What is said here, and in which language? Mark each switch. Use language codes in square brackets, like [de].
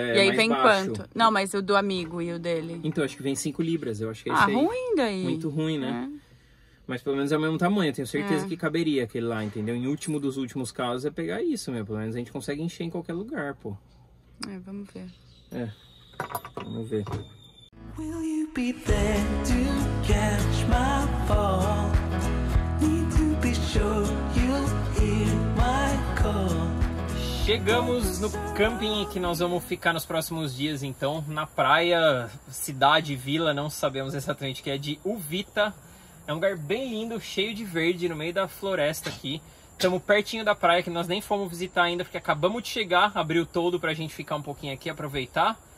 [pt] É, e aí vem baixo. Quanto? Não, mas o do amigo e o dele? Então, acho que vem 5 libras, eu acho que é ah, esse aí. Ah, ruim daí. Muito ruim, né? É. Mas pelo menos é o mesmo tamanho, tenho certeza que caberia aquele lá, entendeu? Em último dos últimos casos é pegar isso, meu. Pelo menos a gente consegue encher em qualquer lugar, pô. É, vamos ver. É, vamos ver. [en] Will you be there to catch my fall? Need to be sure you'll hear my call. [pt] Chegamos no camping que nós vamos ficar nos próximos dias, então. Na praia, cidade, vila, não sabemos exatamente o que é, de Uvita. É um lugar bem lindo, cheio de verde, no meio da floresta aqui. Estamos pertinho da praia, que nós nem fomos visitar ainda, porque acabamos de chegar, abriu todo pra gente ficar um pouquinho aqui, aproveitar.